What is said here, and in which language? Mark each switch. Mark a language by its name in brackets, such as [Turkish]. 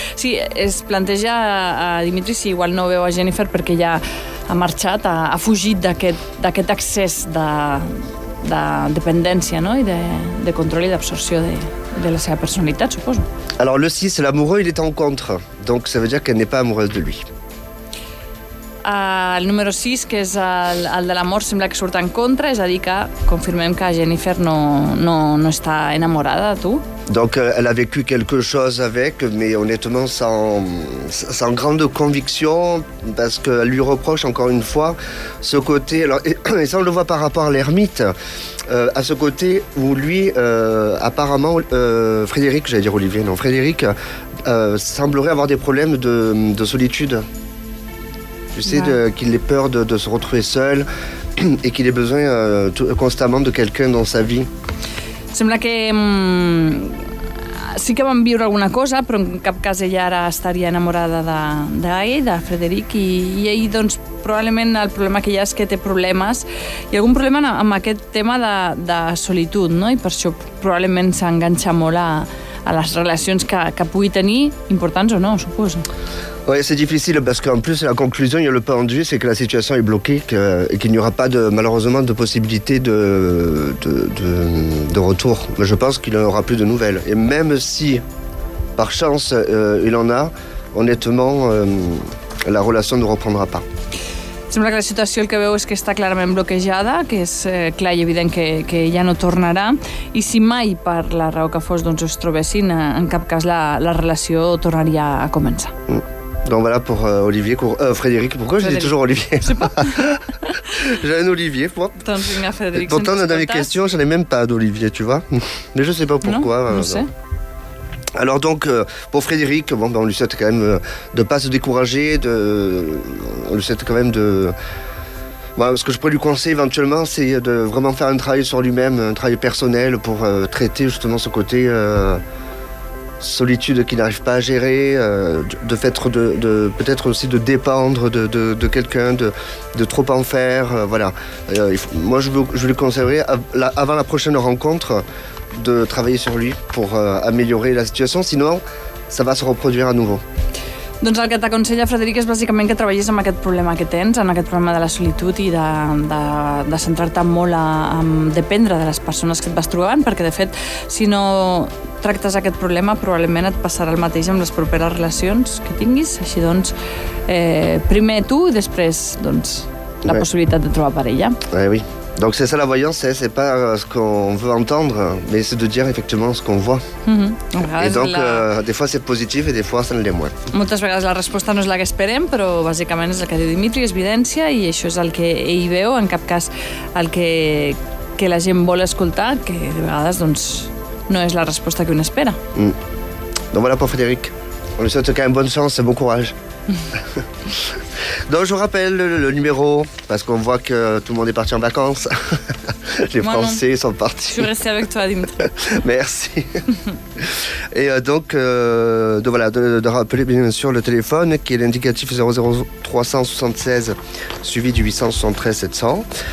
[Catalan] Sí, es planteja a Dimitri si igual no veu a Jennifer perquè ja ha marxat, ha fugit d'aquest excés de dependència, no? I de control i d'absorció de la seva personalitat, suposo. [French] Alors le 6, l'amoureux, il est en contre. Donc ça veut dire qu'elle n'est pas amoureuse de lui. [Catalan] El número 6, que és el de l'amor, sembla que surt en contra, és a dir, que confirmem que Jennifer no està enamorada de tu. [French] Donc, elle a vécu quelque chose avec, mais honnêtement, sans grande conviction, parce qu'elle lui reproche encore une fois ce côté... Alors, et ça, on le voit par rapport à l'ermite, à ce côté où lui, apparemment, Frédéric, j'allais dire Olivier, non, Frédéric, semblerait avoir des problèmes de solitude. Tu sais qu'il ait peur de se retrouver seul et qu'il ait besoin constamment de quelqu'un dans sa vie. [Catalan] Sembla que sí que van viure alguna cosa, però en cap cas ella ara estaria enamorada de Frederic i ell doncs probablement el problema que hi ha és que té problemes i algun problema amb aquest tema de solitud, no? I per això probablement s'enganxa molt a les relacions que pugui tenir, importants o no, suposo. [French] Oui, c'est difficile parce qu'en plus, la conclusion, il y a le pendu, c'est que la situation est bloquée et qu'il n'y aura pas, malheureusement, de possibilité de retour. Mais je pense qu'il n'y aura plus de nouvelles. Et même si, par chance, il en a, honnêtement, la relation ne reprendra pas. [Catalan] Sembla que la situació el que veu és que està clarament bloquejada, que és clar i evident que ja no tornarà, i si mai, per la raó que fos, doncs es trobessin, en cap cas la relació tornaria a començar. Mm. [French] Donc voilà pour Olivier, Frédéric. Pourquoi je dis toujours Olivier? Je sais pas. J'ai un Olivier, moi. Pourtant, dans mes questions, je n'en ai même pas d'Olivier, tu vois. Mais je ne sais pas pourquoi. Non, je sais. Alors donc, pour Frédéric, bon, ben, on lui souhaite quand même de ne pas se décourager, de... on lui souhaite quand même de... Bon, ce que je pourrais lui conseiller éventuellement, c'est de vraiment faire un travail sur lui-même, un travail personnel pour traiter justement ce côté solitude qu'il n'arrive pas à gérer, de peut-être aussi de dépendre de quelqu'un, de trop en faire, voilà. Moi, je lui conseillerais, avant la prochaine rencontre, de travailler sur lui pour améliorer la situation, sinon ça va se reproduire à nouveau. [Catalan] Doncs el que t'aconsella Frederic és bàsicament que treballis amb aquest problema que tens, en aquest problema de la solitud i de centrar-te molt a dependre de les persones que et vas trobant, perquè de fet, si no tractes aquest problema, probablement et passarà el mateix amb les properes relacions que tinguis. Així doncs, primer tu, després doncs, la ouais. possibilitat de trobar parella. Oui. [French] Donc c'est ça la voyance, hein. C'est pas ce qu'on veut entendre, mais c'est de dire effectivement ce qu'on voit. Mm-hmm. Et donc, des fois c'est positif et des fois ça ne l'est moins. [Catalan] Moltes vegades la resposta no és la que esperem, però bàsicament és el que diu Dimitri, és evidència, i això és el que ell veu, en cap cas el que la gent vol escoltar, que de vegades doncs, no és la resposta que un espera. Mm. [French] Donc voilà pour Frédéric. On lui souhaite quand même bonne chance et bon courage. Donc je rappelle le numéro parce qu'on voit que tout le monde est parti en vacances. Les Moi Français non. sont partis. Je suis restée avec toi, Dimitri. Merci. Et donc, rappeler bien sûr le téléphone qui est l'indicatif 00376 suivi du 873 700.